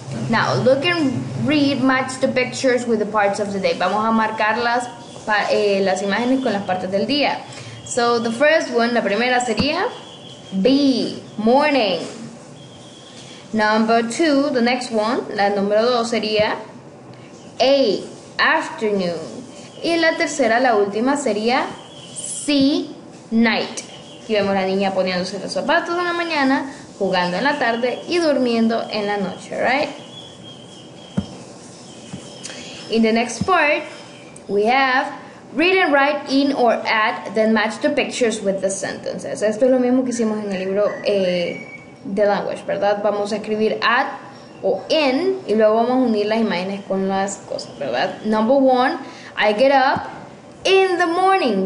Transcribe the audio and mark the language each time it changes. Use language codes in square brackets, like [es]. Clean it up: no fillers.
[en] Now, look and read, match the pictures with the parts of the day. [es] Vamos a marcar las imágenes con las partes del día. [en] So, the first one, [es] la primera sería B, morning. [en] Number two, the next one, [es] la número dos sería A, [en] afternoon. [es] Y la tercera, la última, sería C, night. Aquí vemos a la niña poniéndose los zapatos en la mañana, jugando en la tarde y durmiendo en la noche, right? [en] In the next part, we have Read and write in or at, then match the pictures with the sentences. [es] Esto es lo mismo que hicimos en el libro de language, ¿verdad? Vamos a escribir at o in y luego vamos a unir las imágenes con las cosas, ¿verdad? [en] Number one, I get up in the morning.